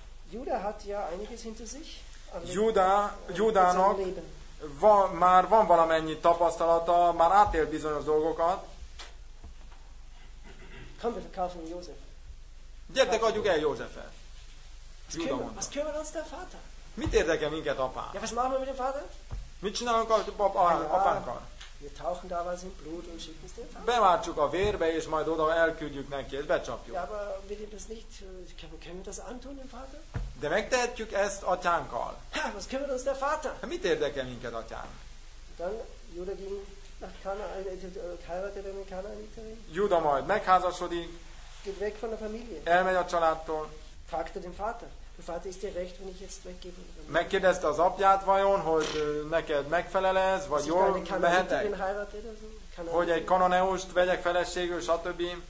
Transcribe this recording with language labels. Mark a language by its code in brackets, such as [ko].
[de] Juda hat ja einiges hinter sich. [hu] Judának van valamennyi tapasztalata, már átélt bizonyos dolgokat. [de] Komm, wir verkaufen Josef. [hu] Gyertek, adjuk el Józsefet. Juda mondta. [de] Was kümmert uns der Vater? [hu] Mit érdekel minket apám? [de] Ja, was machen wir mit dem Vater? [hu] Mit csinálunk apánkkal? [de] Wir tauchen da was in Blut und schicken es dem Vater. [hu] Bemártsuk a vérbe, és majd oda elküldjük neki, és becsapjuk. [de] Ja, aber will ihm das nicht, können wir das antun, dem Vater? [hu] De megtehetjük ezt atyánkkal. [de] Ha, was kümmert uns der Vater? [hu] Ha, mit érdekel minket atyán? [de] Dann Juda ging nach Kanaan, heiratet in Kanaaniterin. [hu] Juda majd megházasodik. [de] Geht weg von der Familie. [hu] Elmegy a családtól. [de] Fragte den Vater. Der Vater ist dir recht, wenn ich jetzt weggebe. [hu] Megkérdezte az apját vajon, hogy neked megfelel ez, vagy jól mehetek? Hogy egy kanoneust vegyek feleségül, stb.